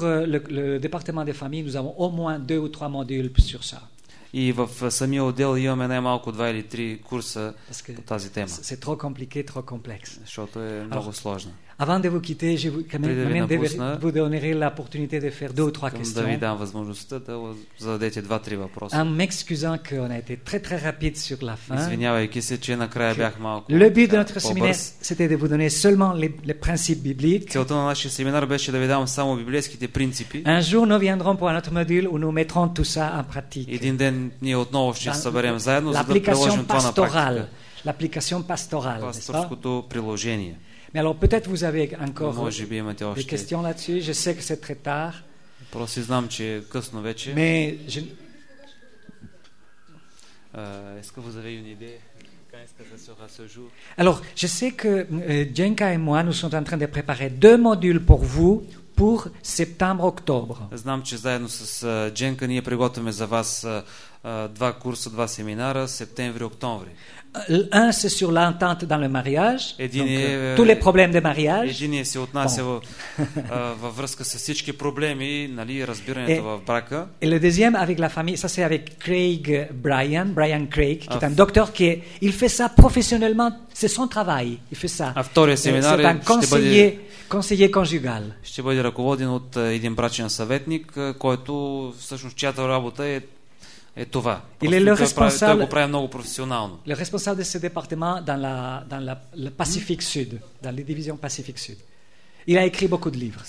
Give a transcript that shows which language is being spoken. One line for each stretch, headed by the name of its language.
French: le département des familles, nous avons au moins deux ou trois modules sur ça.
Bulgarian: И в самия отдел имаме най-малко 2 или 3 курса по тази тема.
French: C'est trop compliqué, trop complexe.
Bulgarian: Защото е много сложно.
French: Avant de vous quitter, je vous quand même vous donnerai l'opportunité de faire deux ou trois questions.
Bulgarian: Да ви дам възможността да зададете 2-3 въпроса.
French: En m'excusant que on a été très très rapide sur la fin.
Bulgarian: Извинявайки се, че накрая бях малко.
French: Le but de notre séminaire, c'était de vous donner seulement les principes bibliques.
Bulgarian: Целта на нашия семинар беше да ви дам само библейските принципи.
French: Un jour nous viendrons pour un autre module où nous mettrons tout ça en pratique.
Bulgarian: Един ден ние отново ще се съберем заедно, за да приложим това на практика.
French: L'application pastorale,
Bulgarian: пасторското приложение.
French: Mais alors peut-être vous avez encore des questions là-dessus. Je sais que c'est très tard.
Bulgarian: Просто знам, че е късно вече.
French: Mais est-ce que vous avez une idée quand est-ce que ça sera ce jour? Alors, je sais que Jenka et moi nous sommes en train de préparer deux modules pour vous pour septembre-octobre.
Bulgarian: Знам, че заедно с Дженка ние приготвяме за вас два курса, два семинара септември-октомври.
French: Un c'est sur l'entente dans le mariage, tous les problèmes de mariage.
Bulgarian: Единият се отнася във връзка с всички проблеми, нали, разбирането в брака.
French: Et le deuxième avec la famille, ça c'est avec Craig Brian Craig, qui est un docteur qui est, il fait ça professionnellement, c'est son travail, il fait ça.
Bulgarian: А вторият семинар
French: е conseiller conjugal.
Bulgarian: Ще бъде ръководен от един брачен съветник, който всъщност чиято работа е това.
French: Il est le responsable,
Bulgarian: той го прави много професионално.
French: Le responsable de ce département dans le Pacifique Sud, dans les divisions Pacifique Sud. Il a écrit beaucoup de livres.